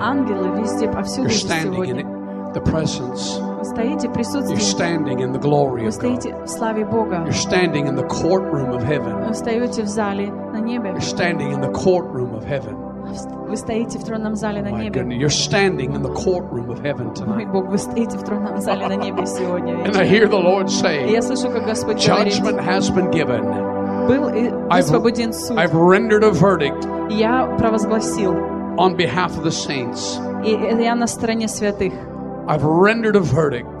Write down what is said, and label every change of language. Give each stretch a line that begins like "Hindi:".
Russian: Ангелы везде, повсюду сегодня.
English: You're standing in the presence.
Russian: Вы стоите в присутствии.
English: You're standing in the glory of God.
Russian: Вы стоите в славе Бога.
English: You're standing in the courtroom of heaven.
Russian: Вы стоите в зале на небе.
English: You're standing in the courtroom of heaven.
Russian: Вы стоите в тронном зале на небе.
English: You're standing in the courtroom of heaven tonight.
Russian: Бог, вы стоите в тронном зале на небе сегодня.
English: And I hear the Lord say.
Russian: Я слышу, как Господь говорит.
English: Judgment has been given.
Russian: Был высвобожден суд.
English: I've rendered a verdict.
Russian: Я провозгласил.
English: On behalf of the saints.
Russian: И я на стороне святых.
English: I've rendered a verdict.